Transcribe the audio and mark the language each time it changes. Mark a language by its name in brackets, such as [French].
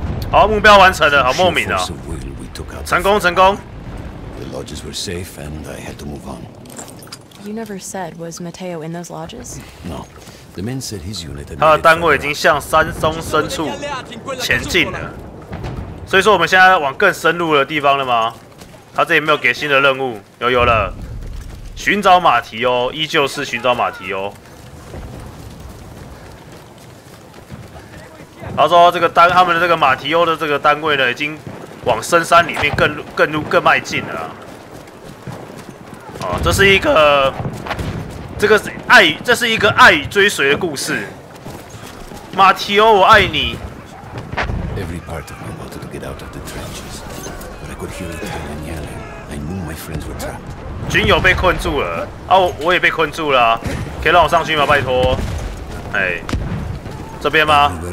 [Chinese] 好，目标完成了，好莫名啊、喔！成功，成功。 [English] The lodges were safe, and I had to move on. You never said was Mateo in those lodges? No. The men said his unit. [Chinese] 他的单位已经向山松深处前进了，所以说我们现在往更深入的地方了吗？他这里没有给新的任务，有了，寻找马蹄哦，依旧是寻找马蹄哦。他说：“这个单，他们的这个马提欧的这个单位呢，已经往深山里面更迈进了。” 哦，这是一个，这个爱，这是一个爱与追随的故事。马提欧，我爱你。 [English] Every part of me wanted to get out of the trenches, but I could hear the men yelling. I knew my friends were trapped. [Chinese] 军友被困住了，啊，我也被困住了、啊，可以让我上去吗？拜托，哎。这边吗？